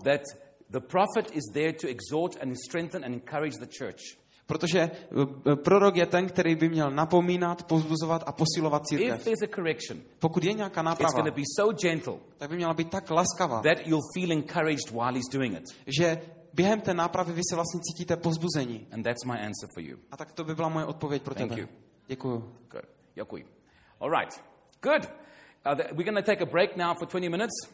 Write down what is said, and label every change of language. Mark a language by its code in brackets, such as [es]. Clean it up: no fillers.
[en] that the prophet is there to exhort and strengthen and encourage the church. [cs] Protože prorok je ten, který by měl napomínat, povzbuzovat a posilovat církev. Pokud je nějaká náprava, [en] it's going to be so gentle, [cs] tak by měla být tak laskavá, [en] that you'll feel encouraged while he's doing it. [cs] Že během té nápravy vy se vlastně cítíte povzbuzení. [en] And that's my answer for you. [cs] A tak to by byla moje odpověď pro [en] thank [cs] tebe. [en] You. [cs] Děkuju. [en] Good. Děkuji. All right. Good. We're going to take a break now for 20 minutes.